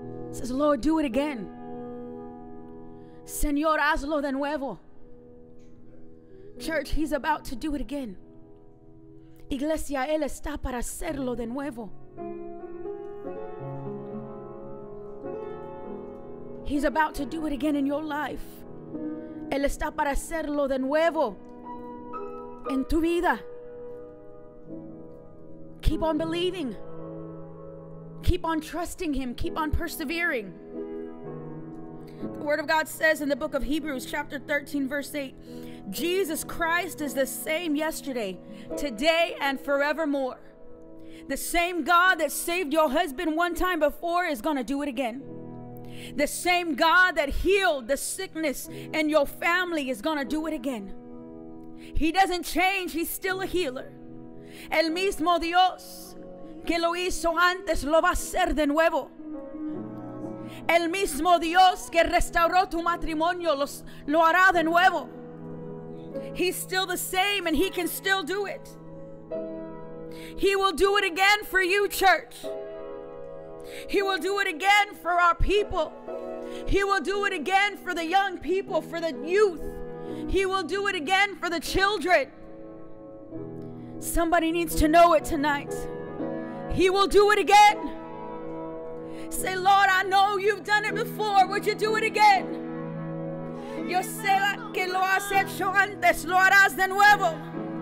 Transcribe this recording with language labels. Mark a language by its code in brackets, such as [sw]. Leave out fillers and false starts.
[en] It says, Lord, do it again. [es] Señor, hazlo de nuevo. [en] Church, he's about to do it again. [es] Iglesia, él está para hacerlo de nuevo. [en] He's about to do it again in your life. [es] Él está para hacerlo de nuevo en tu vida. [en] Keep on believing. Keep on trusting him. Keep on persevering. The word of God says in the book of Hebrews, chapter 13, verse 8, Jesus Christ is the same yesterday, today, and forevermore. The same God that saved your husband one time before is going to do it again. The same God that healed the sickness in your family is going to do it again. He doesn't change. He's still a healer. [es] El mismo Dios que lo hizo antes lo va a hacer de nuevo. El mismo Dios que restauró tu matrimonio lo hará de nuevo. [en] He's still the same and he can still do it. He will do it again for you, church. He will do it again for our people. He will do it again for the young people, for the youth. He will do it again for the children. Somebody needs to know it tonight. He will do it again. Say, Lord, I know you've done it before. Would you do it again? [es] Yo sé que lo has hecho antes. Lo harás de nuevo.